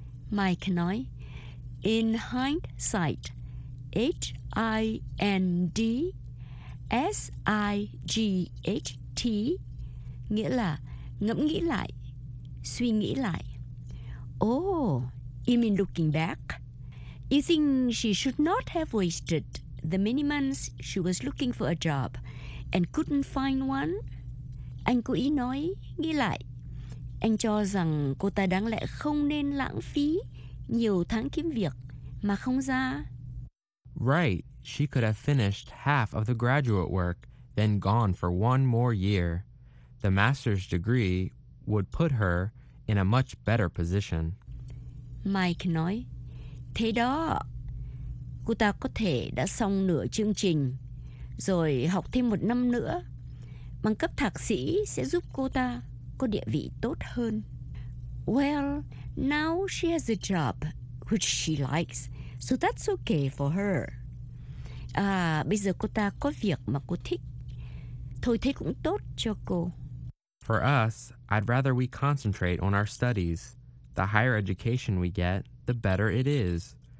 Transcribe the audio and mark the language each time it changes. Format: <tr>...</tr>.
<vi>Mike nói,</vi> <en>in hindsight,</en> <vi>H-I-N-D-S-I-G-H-T nghĩa là ngẫm nghĩ lại, suy nghĩ lại.</vi> <en>Oh, you mean looking back? You think she should not have wasted the many months she was looking for a job and couldn't find one?</en> <vi>Anh cố ý nói, nghĩ lại. Anh cho rằng cô ta đáng lẽ không nên lãng phí nhiều tháng kiếm việc mà không ra.</vi> <en>Right, she could have finished half of the graduate work, then gone for one more year. The master's degree would put her in a much better position.</en> <vi>Mike nói, thế đó, cô ta có thể đã xong nửa chương trình, rồi học thêm một năm nữa. Bằng cấp thạc sĩ sẽ giúp cô ta có địa vị tốt hơn.</vi> <en>Well, now she has a job which she likes, so that's okay for her.</en> <vi>À, bây giờ cô ta có việc mà cô thích. Thôi thế cũng tốt cho cô.</vi> <en>For us, I'd rather we concentrate on our studies. The higher education we get, the better it is.</en>